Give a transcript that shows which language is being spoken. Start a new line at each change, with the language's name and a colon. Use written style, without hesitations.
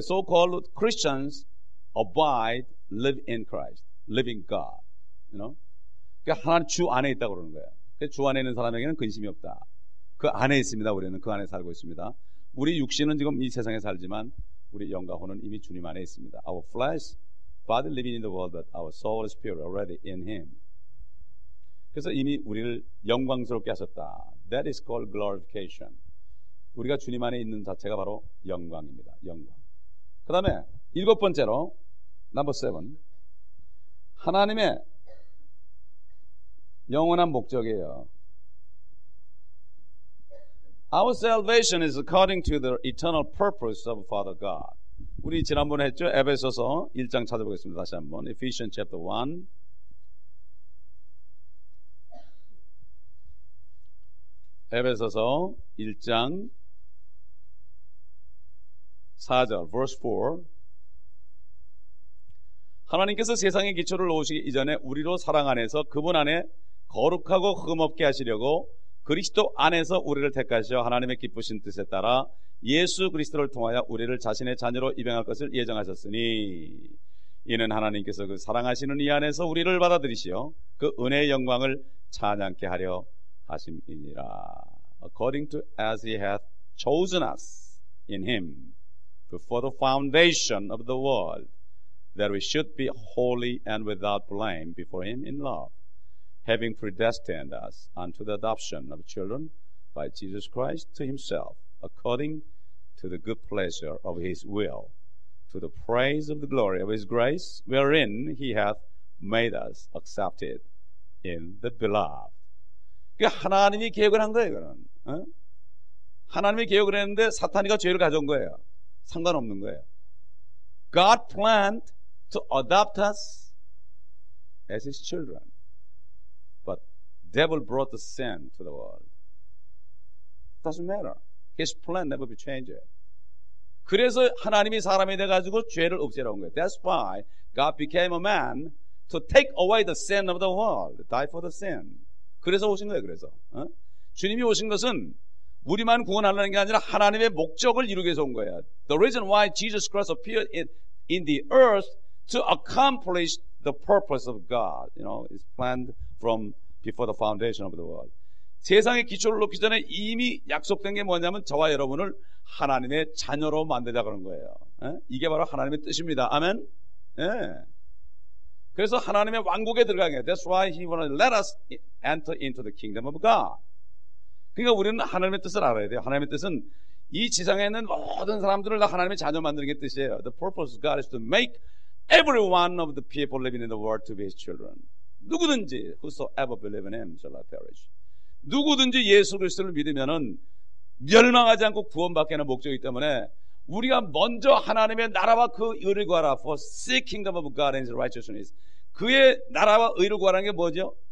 English: So-called Christians abide, live in Christ, live in God. You know?
Korean: 그러니까 하나님 주 안에 있다고 그러는 거예요. 그러니까 주 안에 있는 사람에게는 근심이 없다. 그 안에 있습니다. 우리는 그 안에 살고 있습니다. 우리 육신은 지금 이 세상에 살지만 우리 영과 혼은 이미 주님 안에 있습니다.
English: Our flesh, body living in the world, but our soul and spirit already in Him.
Korean: 그래서 이미 우리를 영광스럽게 하셨다.
English: That is called glorification.
Korean: 우리가 주님 안에 있는 자체가 바로 영광입니다. 영광. 그 다음에 일곱 번째로
English: number seven
Korean: 하나님의 영원한 목적이에요.
English: Our salvation is according to the eternal purpose of Father God.
Korean: 우리 지난번에 했죠? 에베소서 1장 찾아보겠습니다. 다시 한번
English: Ephesians chapter 1
Korean: 에베소서 1장 4절
English: verse 4
Korean: 하나님께서 세상의 기초를 놓으시기 이전에 우리로 사랑 안에서 그분 안에 거룩하고 흠없게 하시려고 그리스도 안에서 우리를 택하시어 하나님의 기쁘신 뜻에 따라 예수 그리스도를 통하여 우리를 자신의 자녀로 입양할 것을 예정하셨으니 이는 하나님께서 그 사랑하시는 이 안에서 우리를 받아들이시어 그 은혜의 영광을 찬양케 하려 하심이니라.
English: According to as he hath chosen us in him before the foundation of the world that we should be holy and without blame before him in love having predestined us unto the adoption of children by Jesus Christ to himself according to the good pleasure of his will to the praise of the glory of his grace wherein he hath made us accepted in the beloved.
Korean: 그 하나님이 계획을 한 거예요, 그런. 어? 하나님이 계획을 했는데 사탄이가 죄를 가져온 거예요. 상관없는 거예요.
English: God planned to adopt us as his children. But devil brought the sin to the world. Doesn't matter. His plan never be changed.
Korean: 그래서 하나님이 사람이 돼 가지고 죄를 없애러 온 거예요.
English: That's why God became a man to take away the sin of the world, die for the sin.
Korean: 그래서 오신 거예요. 그래서 어? 주님이 오신 것은 우리만 구원하려는 게 아니라 하나님의 목적을 이루기 위해서 온 거예요.
English: The reason why Jesus Christ appeared in the earth to accomplish the purpose of God, you know, is planned from before the foundation of the world.
Korean: 세상의 기초를 놓기 전에 이미 약속된 게 뭐냐면 저와 여러분을 하나님의 자녀로 만들자 그런 거예요. 에? 이게 바로 하나님의 뜻입니다. 아멘. 예. 그래서 하나님의 왕국에 들어가게 해요.
English: That's why he wanted to let us enter into the kingdom of God.
Korean: 그러니까 우리는 하나님의 뜻을 알아야 돼요. 하나님의 뜻은 이 지상에 있는 모든 사람들을 다 하나님의 자녀 만드는 게 뜻이에요.
English: The purpose of God is to make every one of the people living in the world to be his children.
Korean: 누구든지
English: whosoever believes in him shall not perish.
Korean: 누구든지 예수 그리스도를 믿으면은 멸망하지 않고 구원받게 하는 목적이기 때문에 우리가 먼저 하나님의 나라와 그 의를 구하라.
English: For seeking the kingdom of God and his righteousness.
Korean: 그의 나라와 의를 구하라는 게 뭐죠?